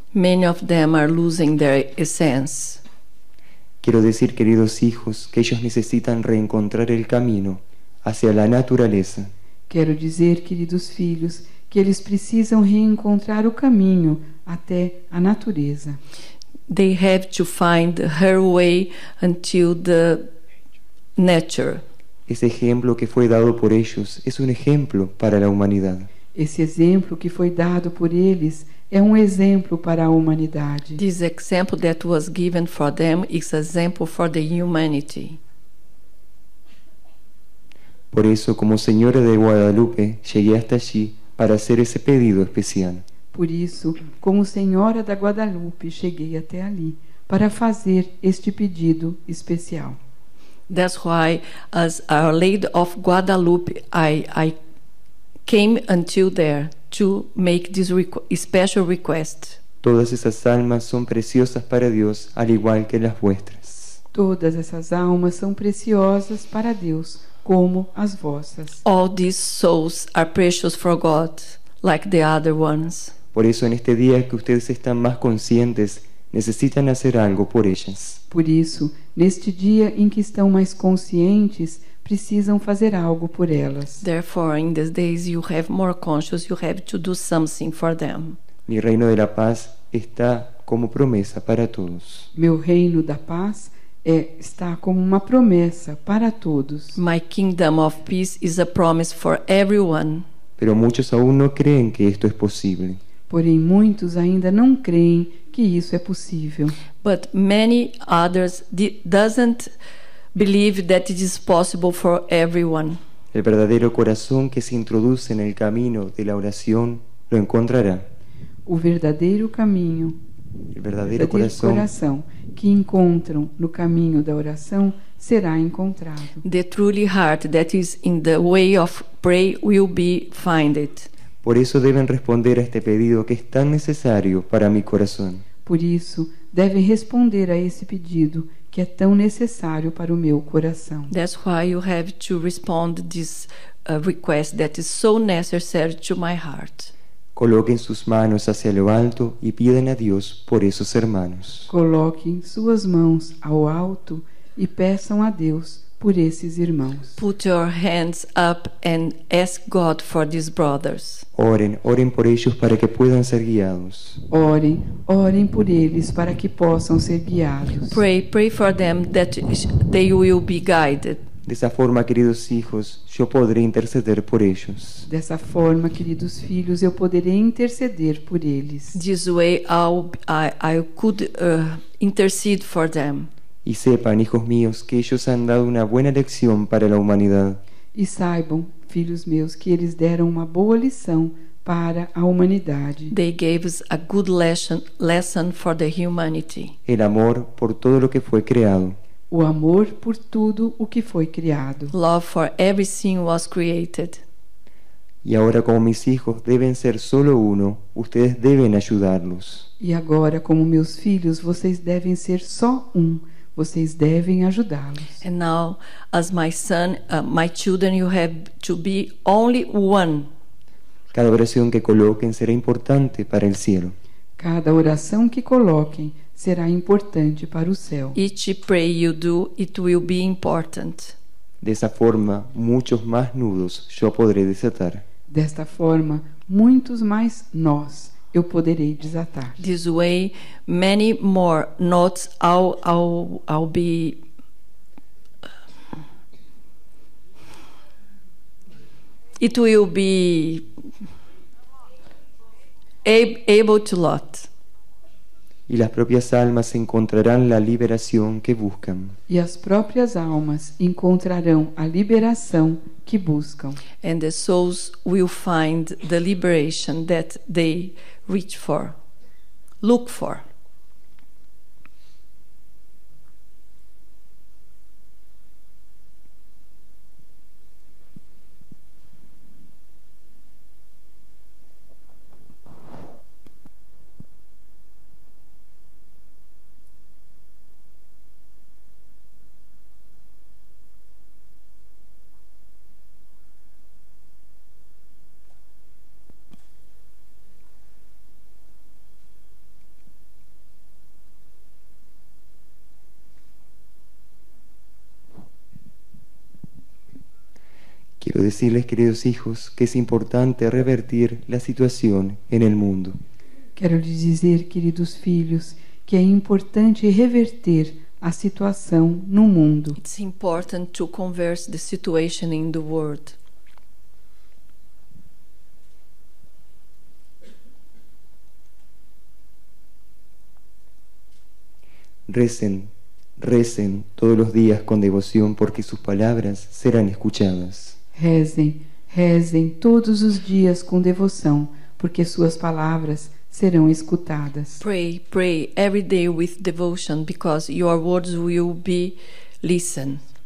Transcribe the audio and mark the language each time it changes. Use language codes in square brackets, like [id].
[en] Many of them are losing their essence. [es] Quiero decir, queridos hijos, que ellos necesitan reencontrar el camino hacia la naturaleza. [pt] Quero dizer, queridos filhos, que eles precisam reencontrar o caminho até a natureza. [en] They have to find her way until the nature. [es] Ese ejemplo que fue dado por ellos es un ejemplo para la humanidad. [pt] Esse exemplo que foi dado por eles é um exemplo para a humanidade. [en] This example that was given for them is an example for the humanity. [es] Por eso, como señora de Guadalupe, llegué hasta allí para hacer ese pedido especial. [pt] Por isso, como senhora da Guadalupe, cheguei até ali para fazer este pedido especial. [en] That's why, as Our Lady of Guadalupe, I came until there to make this special request. [es] Todas esas almas son preciosas para Dios, al igual que las vuestras. Todas esas almas son preciosas para Dios, [pt] como as vossas. [en] All these souls are precious for God, like the other ones. [es] Por eso, en este día que ustedes están más conscientes, necesitan hacer algo por ellas. [pt] Por isso, neste dia em que estão mais conscientes, precisam fazer algo por elas. [en] Therefore, in these days you have more conscious, you have to do something for them. [es] Mi reino de la paz está como promesa para todos. [pt] Meu reino da paz está como uma promessa para todos. [en] My kingdom of peace is a promise for everyone. [es] Pero muchos aún no creen que esto es posible. [pt] Porém, muitos ainda não creem que isso é possível. [en] But many others doesn't believe that it is possible for everyone. [es] El verdadero corazón que se introduce en el camino de la oración lo encontrará. [pt] O verdadeiro caminho, [es] el verdadero corazón [pt] que encontram no caminho da oração será encontrado. [en] The truly heart that is in the way of prayer will be found. [es] Por eso deben responder a este pedido que es tan necesario para mi corazón. [pt] Por isso devem responder a esse pedido que é tão necessário para o meu coração. [en] That's why you have to respond this request that is so necessary to my heart. [pt] Coloquem suas mãos [es] hacia lo alto [pt] e pidam a Deus por esses hermanos. Coloquem suas mãos ao alto e peçam a Deus por esses irmãos. [en] Put your hands up and ask God for these brothers. [pt] Orem por eles para que possam ser guiados. Orem por eles para que possam ser guiados. [en] Pray for them that they will be guided. [pt] Dessa forma, queridos filhos, eu poderei interceder por eles. Dessa forma, queridos filhos, eu poderei interceder por eles. [en] This way I could intercede for them. [es] Y sepan, hijos míos, que ellos han dado una buena lección para la humanidad. [pt] E saibam, filhos meus, que eles deram uma boa lição para a humanidade. [en] They gave us a good lesson for the humanity. [es] El amor por todo lo que fue creado. [pt] O amor por tudo o que foi criado. [en] Love for everything was created. [es] Y ahora, como mis hijos deben ser solo uno, ustedes deben ayudarlos. [pt] E agora, como meus filhos, vocês devem ser só um. Vocês devem ajudá-los. [en] And now, as my son, my children, you have to be only one. [pt] Cada oração que coloquem será importante [es] para el cielo. [pt] Cada oração que coloquem será importante para o céu. [en] Each prayer you do, it will be important. [pt] Dessa forma, muitos mais nudos eu poderei desatar. Desta forma, muitos mais nós eu poderei desatar. [en] This way, many more knots I'll be. It will be able to lot. [es] Y las propias almas encontrarán la liberación que buscan. [pt] E as próprias almas encontrarão a liberação que buscam. [en] And the souls will find the liberation that they reach for, look for. [es] Quiero decirles, queridos hijos, que es importante revertir la situación en el mundo. Quiero decir, queridos filhos, que es importante reverter la situación en el mundo. [en] It's important to converse the situation in the world. [es] Recen todos los días con devoción porque sus palabras serán escuchadas. [pt] Rezem, rezem todos os dias com devoção, porque suas palavras serão escutadas. [en] Pray, pray every day with devotion, because your words will be listened.